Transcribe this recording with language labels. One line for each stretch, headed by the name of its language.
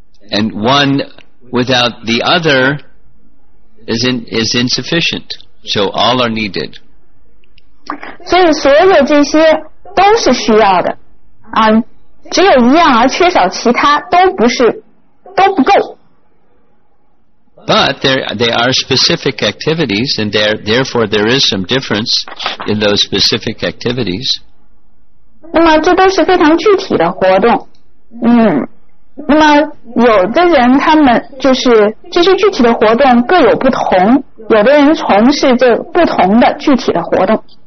English: And one without the other is insufficient. So all are needed.
Chinese: 所以所有这些都是需要的啊，只有一样而缺少其他都不是都不够。
English: But they are specific activities, and therefore there is some difference in those specific activities.
Chinese: 那么这都是非常具体的活动，那么有的人他们就是这些具体的活动各有不同，有的人从事这不同的具体的活动。